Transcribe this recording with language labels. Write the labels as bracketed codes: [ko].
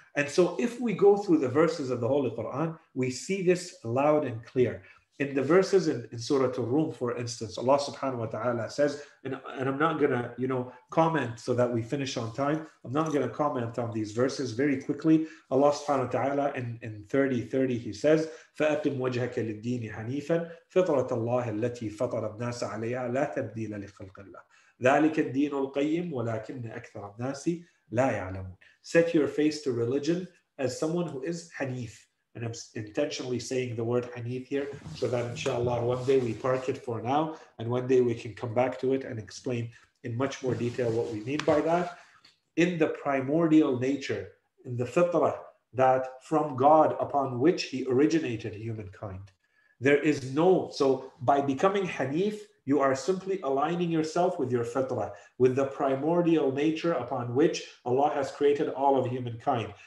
[en] And so if we go through the verses of the Holy Quran, we see this loud and clear. In the verses in Surah Ar-Rum, for instance, Allah subhanahu wa ta'ala says, and I'm not going to, comment so that we finish on time. I'm not going to comment on these verses very quickly. Allah subhanahu wa ta'ala in 30:30, he says, [ar] فَأَقِمْ وَجْهَكَ لِلدِّينِ حَنِيفًا فِطْرَةَ اللَّهِ الَّتِي فَطَرَ النَّاسَ عَلَيْهَا لَا تَبْدِيلَ لِخَلْقِ اللَّهِ ذَلِكَ الدِّينُ الْقَيِّمُ وَلَكِنَّ أَكْثَرَ النَّاسِ لَا يَعْلَمُونَ. [en] Set your face to religion as someone who is hanif. And I'm intentionally saying the word hanif here so that inshallah one day we park it for now and one day we can come back to it and explain in much more detail what we mean by that. In the primordial nature, in the fitrah that from God upon which he originated humankind, there is no, so by becoming hanif, you are simply aligning yourself with your fitrah, with the primordial nature upon which Allah has created all of humankind.